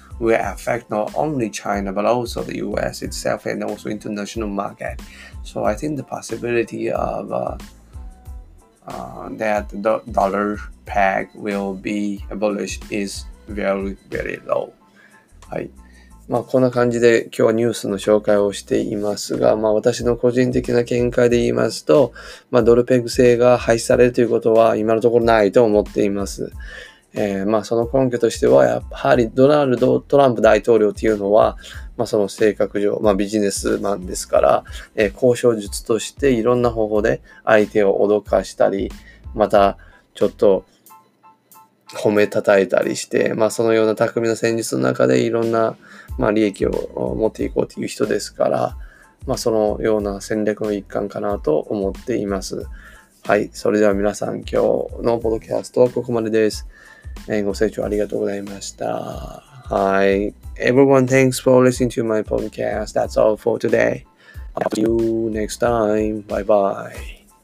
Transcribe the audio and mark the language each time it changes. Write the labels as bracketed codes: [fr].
[en] Will affect not only China but also the US itself and also international market. So I think the possibility of that the dollar peg will be abolished is very, very low. [ja] はい。まあこんな感じで今日はニュースの紹介をしていますが、まあ私の個人的な見解で言いますと、まあドルペグ制が廃止されるということは今のところないと思っています。まあその根拠としては、やはりドナルド・トランプ大統領っていうのは、まあその性格上、まあビジネスマンですから、交渉術としていろんな方法で相手を脅かしたり、またちょっと褒めたたえたりして、まあそのような巧みな戦術の中でいろんな、まあ利益を持っていこうという人ですから、まあそのような戦略の一環かなと思っています。はい。それでは皆さん今日のポッドキャストはここまでです。ご清聴ありがとうございました。はい。 [en] Everyone, thanks for listening to my podcast. That's all for today. I'll see you next time. Bye bye.